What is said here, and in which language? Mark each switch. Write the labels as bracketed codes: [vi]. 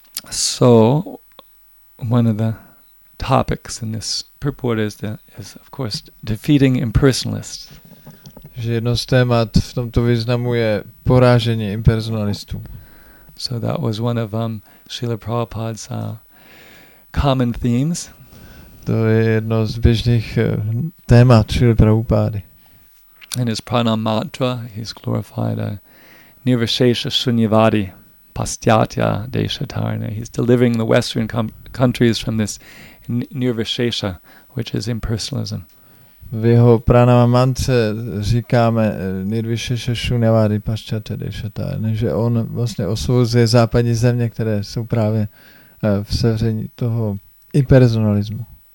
[en] So, one of the topics in this purport is of course, defeating impersonalists. [cs] Že jedno z témat v tomto významu je porážení impersonalistů. [en] So that was one of Srila Prabhupada's common themes. [cs] To je jedno z běžných témat Srila Prabhupády. [en] In his pranam mantra, he's glorified [sa] nirvishesha sunyavadi pastyatya deshatarana. [en] He's delivering the Western countries from this nirvishesha, which is impersonalism. [cs] V jeho pranam mantře říkáme [sa] nirvishesha sunyavadi pastyatya deshatarana, [cs] že on vlastně osvobozuje západní země, které jsou právě v sevření toho impersonalismu.